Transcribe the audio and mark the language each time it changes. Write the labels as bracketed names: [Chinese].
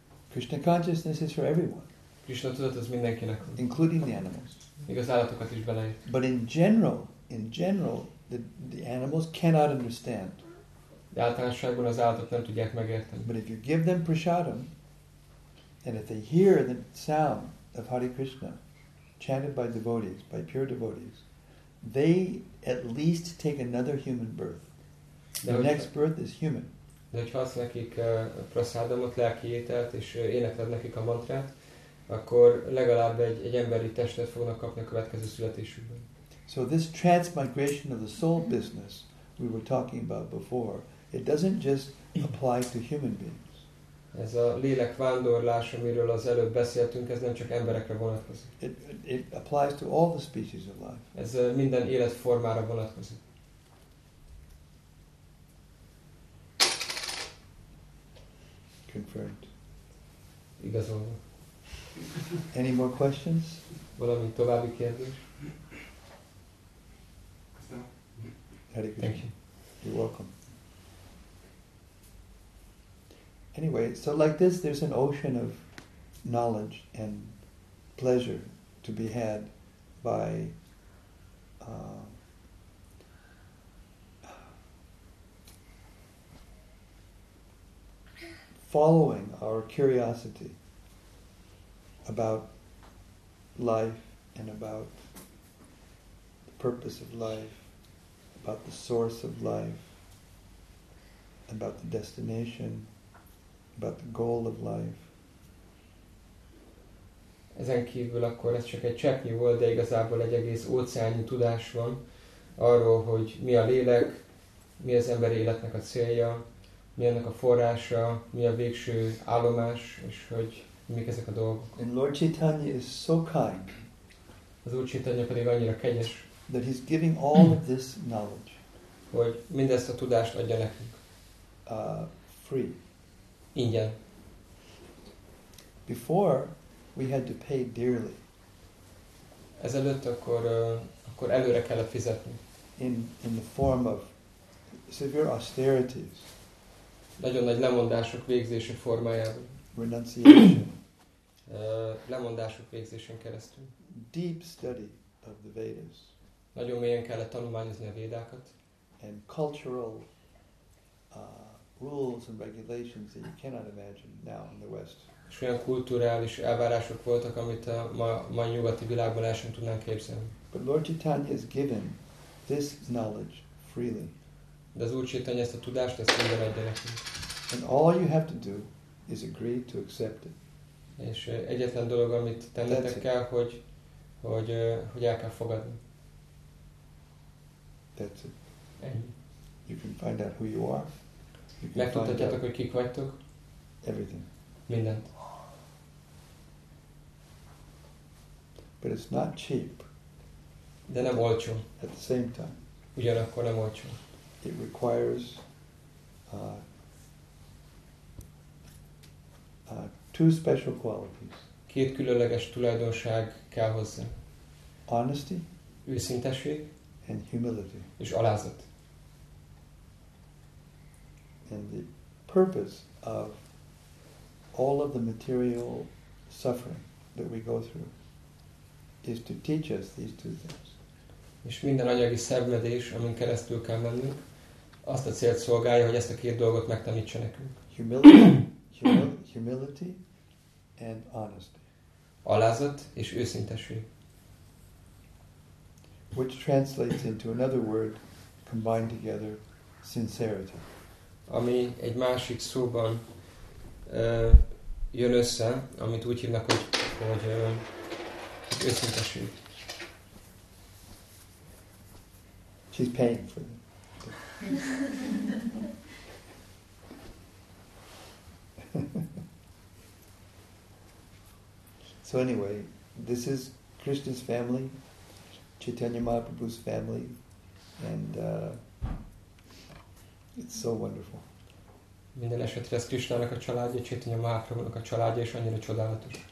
[English] Krishna consciousness is for everyone. [Hungarian] Krishna tudat az mindenkinek. [English] Including the animals. [Hungarian] Még az állatokat is beleért. [English] But in general, the animals cannot understand. [Hungarian] De általánosságban az állatok nem tudják megérteni. [English] But if you give them prasadam, and if they hear the sound of Hare Krishna, chanted by devotees, by pure devotees, they at least take another human birth. Their next birth is human. [Hungarian] De hogyha azt nekik prasadamot, lelki ételt, és énekled nekik a mantrát, akkor legalább egy emberi testet fognak kapni a következő születésükben. [English] So this transmigration of the soul business we were talking about before, it doesn't just apply to human beings. [Hungarian] Ez a lélekvándorlás, amiről az előbb beszéltünk, ez nem csak emberekre vonatkozik. [English] It applies to all the species of life. [Hungarian] Ez minden életformára vonatkozik. [English] Confirmed. [Hungarian] Igazolva. [English] Any more questions? [Hungarian] Valami további kérdés? [English] Hare Krishna. Thank you. You're welcome. Anyway, so like this, there's an ocean of knowledge and pleasure to be had by following our curiosity about life and about the purpose of life, about the source of life, about the destination, about the goal of life. [Hungarian] Ezen kívül akkor ez csak egy cseppnyi volt, de igazából egy egész óceánnyi tudás van arról, hogy mi a lélek, mi az ember életnek a célja, mi ennek a forrása, mi a végső állomás, és hogy mik ezek a dolgok. [English] And Lord Chaitanya is so kind. [Hungarian] Az Úr Chaitanya pedig annyira kegyes, [English] that he's giving all of this knowledge. [Hungarian] Hogy mindezt a tudást adja nekünk. [English] Free. [Hungarian] Ingyen. [English] Before we had to pay dearly. [Hungarian] Ezelőtt akkor előre kellett fizetni. [English] In the form of severe austerities. [Hungarian] Nagyon nagy lemondások végzése formájában. [English] Renunciation. [Hungarian] Lemondások végzésen keresztül. [English] Deep study of the Vedas. [Hungarian] Nagyon mélyen kellett tanulmányozni a Védákat. [English] And cultural rules and regulations that you cannot imagine now in the West. [Hungarian] És olyan kulturális elvárások voltak, amit a mai nyugati világban el sem tudnánk képzelni. [English] But Lord Chaitanya has given this knowledge freely. [Hungarian] De az Úr Chaitanya ezt a tudást, ezt minden adja nekünk. [English] And all you have to do is agree to accept it. [Hungarian] És egyetlen dolog, amit tennetek kell, hogy el kell fogadni. [English] That's it. You can find out who you are. [Hungarian] Megtudhatjátok, hogy kik vagytok. [English] Everything. [Hungarian] Mindent. [English] But it's not cheap. [Hungarian] De nem olcsó. [English] At the same time. [Hungarian] Ugyanakkor nem olcsó. [English] It requires two special qualities. [Hungarian] Két különleges tulajdonság kell hozzá. [English] Honesty. [Hungarian] Őszintesség. [English] And humility. [Hungarian] És alázat. [English] And the purpose of all of the material suffering that we go through is to teach us these two things. [Hungarian] És minden anyagi szenvedés, amin keresztül kell mennünk, azt a célt szolgálja, hogy ezt a két dolgot megtanítsa nekünk. [English] Humility and honesty. [Hungarian] Alázat és őszintesség. [English] Which translates into another word combined together, sincerity. [Hungarian] Ami egy másik szóban jön össze, amit úgy hívnak, hogy őszintesség. [English] She's paying for it. So anyway, this is Krishna's family, Chaitanya Mahaprabhu's family, and it's so wonderful. [Hungarian] Minden esetre ez Krishnának a családja, Chaitanya Mahaprabhunak a családja, és annyira csodálatos.